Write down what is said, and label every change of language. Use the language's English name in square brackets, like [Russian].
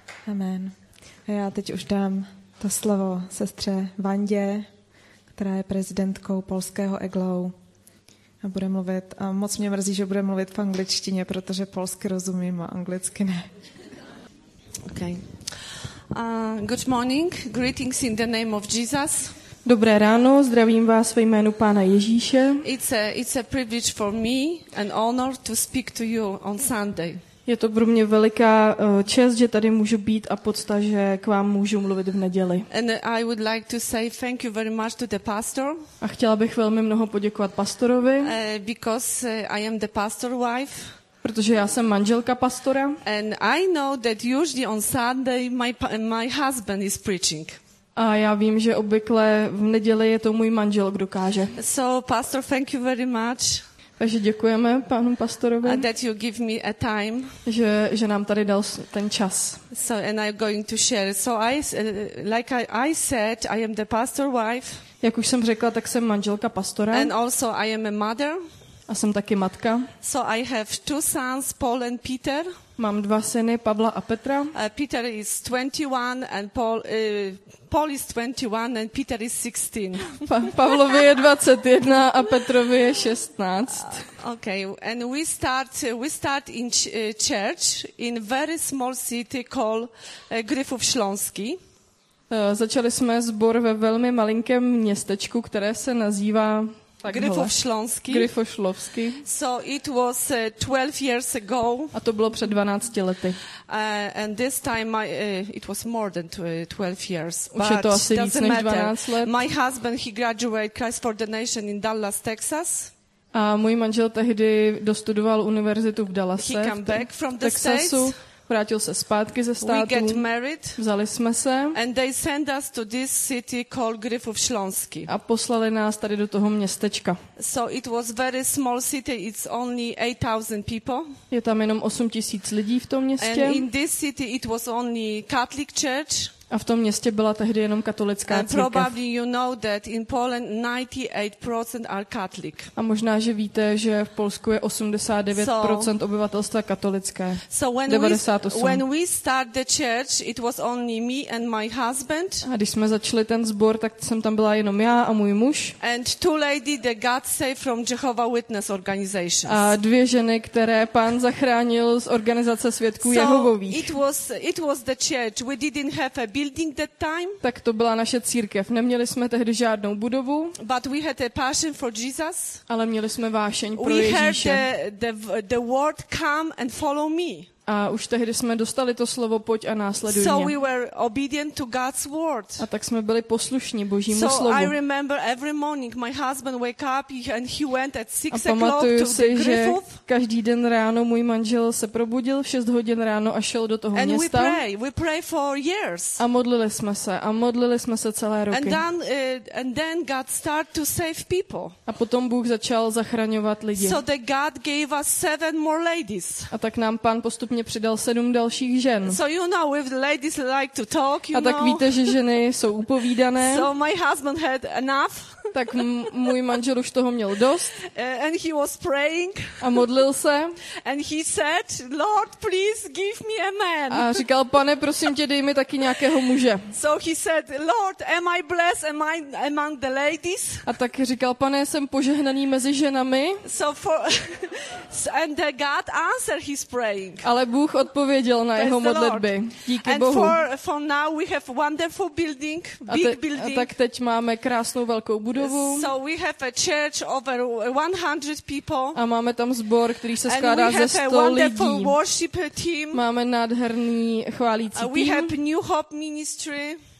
[English] Amen. [Czech] A já teď už dám to slovo sestře Vandě, která je prezidentkou polského EGLOU a bude mluvit, a moc mě mrzí, že bude mluvit v angličtině, protože polsky rozumím a anglicky ne. [English] Okay. Good morning, greetings in the name of Jesus. [Czech] Dobré ráno, zdravím vás ve jménu Pána Ježíše. [English] It's a privilege for me and honor to speak to you on Sunday. [Czech] Je to pro mě veliká čest, že tady můžu být a pocta, že k vám můžu mluvit v neděli. [English] And I would like to say thank you very much to the pastor. [Czech] A chtěla bych velmi mnoho poděkovat pastorovi. [English] Because I am the pastor wife. [Czech] Protože já jsem manželka pastora. [English] And I know that usually on Sunday my husband is preaching. [Czech] A já vím, že obvykle v neděli je to můj manžel, kdo káže. [English] So pastor, thank you very much. [Czech] Takže děkujeme panu pastorovi. [English] That you give me a time. [Czech] Že nám tady dal ten čas. [English] So and I'm going to share. So I like I said, I am the pastor wife. [Czech] Jak už jsem řekla, tak jsem manželka pastora. [English] And also I am a mother. [Czech] A jsem taky matka. [English] So I have two sons, Paul and Peter. [Czech] Mám dva syny, Pavla a Petra. [English] Peter is 21 and Paul is 21 and Peter is 16. [Czech] Pavlovi je 21 a Petrovi je 16. [English] Okay, and we start in church in very small city called Gryfów Śląski. [Czech] Začali jsme sbor ve velmi malinkém městečku, které se nazývá Gryfoslovský. [English] So it was 12 years ago. [Czech] A to bylo před 12 lety. [English] And this time it was more than 12 years. [Czech] Už je to asi víc než 12 let. [English] My husband he graduated Christ for the Nation in Dallas, Texas. [Czech] A můj manžel tehdy dostudoval univerzitu v Dallase. [English] He came back from the States. [Czech] Vrátil se zpátky ze státu. [English] We get married. [Czech] Vzali jsme se. [English] And they send us to this city called Gryfów Śląski. [Czech] A poslali nás tady do toho městečka. [English] So it was very small city. It's only 8,000 people. [Czech] Je tam jenom 8,000 lidí v tom městě. [English] And in this city it was only Catholic church. [Czech] A v tom městě byla tehdy jenom katolická církev. [English] Probably you know that in Poland 98% are Catholic. [Czech] A možná, že víte, že v Polsku je 89% obyvatelstva katolické. [English] So when we start the church, it was only me and my husband. [Czech] A když jsme začali ten sbor, tak jsem tam byla jenom já a můj muž. [English] And two ladies that God saved from Jehovah's Witness organizations. [Czech] A dvě ženy, které pán zachránil z organizace svědků Jehovových. [English] It was the church. We didn't have a building that time. [Czech] Tak to byla naše církev. Neměli jsme tehdy žádnou budovu. [English] But we had a passion for Jesus. [Czech] Ale měli jsme vášeň pro Ježíše. [English] We heard the word come and follow me. [Czech] A už tehdy jsme dostali to slovo pojď a následuj mě. [English] So we were obedient to God's word. [Czech] A tak jsme byli poslušní Božímu slovu. [English] So I remember every morning my husband wake up and he went at 6 o'clock to the [Czech] Gryfów. A pamatuju si, že každý den ráno můj manžel se probudil v 6 hodin ráno a šel do toho města. [English] And we pray for years. [Czech] A modlili jsme se celé roky. [English] And then God start to save people. [Czech] A potom Bůh začal zachraňovat lidi. [English] So that God gave us 7 more ladies. [Czech] A tak nám pán postupně přidal 7 dalších žen. [English] So you know, if ladies like to talk, you [Czech] a tak [English] know. [Czech] Víte, že ženy jsou upovídané. [English] So my husband had enough. [Czech] Tak můj manžel už toho měl dost. [English] And he was praying. [Czech] A modlil se. [English] And he said, Lord, please give me a man. [Czech] A říkal, pane, prosím tě, dej mi taky nějakého muže. [English] So he said, Lord, am I blessed? Am I among the ladies? [Czech] A tak říkal, pane, jsem požehnaný mezi ženami. [English] So and God answered his praying. [Czech] Ale Bůh odpověděl na jeho modlitby. Díky [English] and [Czech] Bohu. [English] For now we have wonderful building, big building. [Czech] A tak teď máme krásnou velkou budovu. [English] So we have a church over 100 people. [Czech] A máme tam sbor, který se skládá ze 100 lidí. [English] Worship team. [Czech] Máme nádherný chválící tým. [English] We have New Hope Ministry.